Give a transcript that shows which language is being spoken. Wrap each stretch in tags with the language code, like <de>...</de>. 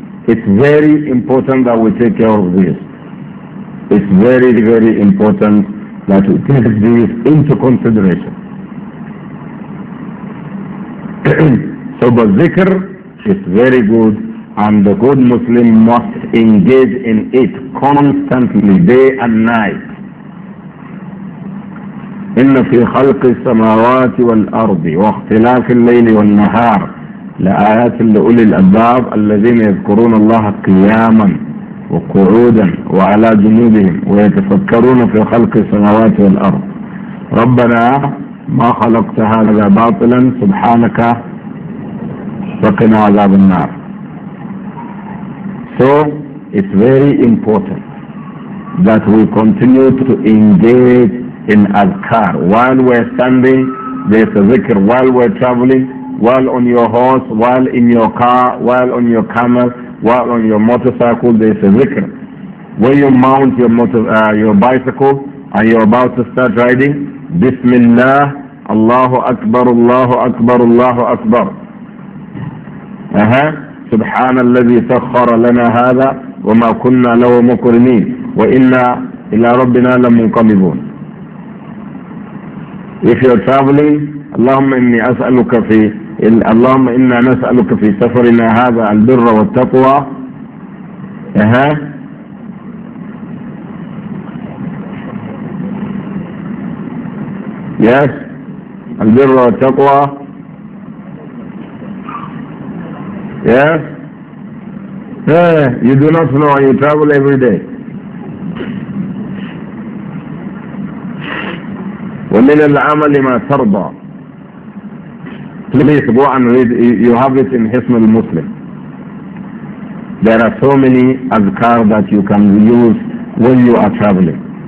<en>It's very important that we take care of this. It's very, very important that we take this into consideration. So the zikr is very good, and the good Muslim must engage in it constantly, day and night.</en> <ar>إن في خلق السماوات والأرض واختلاف الليل والنهار لآيات لأولي الألباب الذين يذكرون الله قياما وقعودا وعلى جنوبهم ويتفكرون في خلق السماوات والأرض ربنا ما خلقت هذا باطلا سبحانك فقنا عذاب النار.</ar> <en>So it's very important that we continue to engage in adhkar. While we're standing, there's a zikr. While we're traveling, while on your horse, while in your car, while on your camel, while on your motorcycle, there's a zikr. when you mount your bicycle and you're about to start riding, Bismillah, Allahu Akbar, Allahu Akbar, Allahu Akbar.</en> <ar>سبحان الذي سخر لنا هذا وما كنا له مقرنين وإنا إلى ربنا لمنقلبون.</ar> <en>If you're traveling,</en> <ar>اللهم إني أسألك في اللهم إنا نسألك في سفرنا هذا البر والتقوى.</ar> <en>Yes,</en> <ar>البر والتقوى.</ar> <en>Yes. You do not know, you travel every day.</en> <ar>ومن العمل ما ترضى.</ar> <en>Please go and read, you have it in Hisn al-Muslim. There are so many adhkar that you can use when you are traveling.</en>